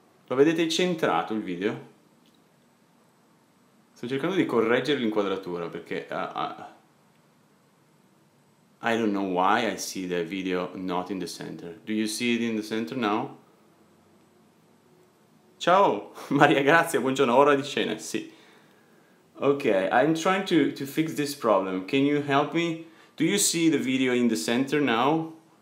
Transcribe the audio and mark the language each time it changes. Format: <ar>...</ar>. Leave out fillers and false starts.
<it>Lo vedete centrato il video? Sto cercando di correggere l'inquadratura perché...</it> <en>I don't know why I see the video not in the center. Do you see it in the center now?</en> <it>Ciao, Maria Grazia, buongiorno, ora di cena, sì.</it> <en>Okay, I'm trying to fix this problem. Can you help me? Do you see the video in the center now?</en>